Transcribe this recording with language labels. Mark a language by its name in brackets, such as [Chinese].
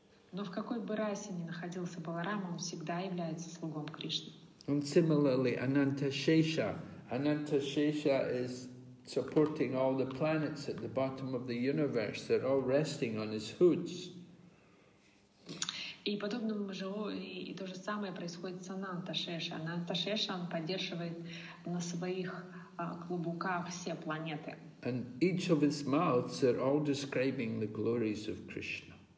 [Russian] Но в какой бы расе ни находился Баларама, он всегда является слугом Кришны. [English] And similarly, Anantashesha. Anantashesha is supporting all the planets at the bottom of the universe. They're all resting on his hoods. [Russian] И подобным же, и то же самое происходит с Ананташеша. Ананташеша, он поддерживает на своих клубуках все планеты. [English] And each of his mouths are all describing the glories of Krishna.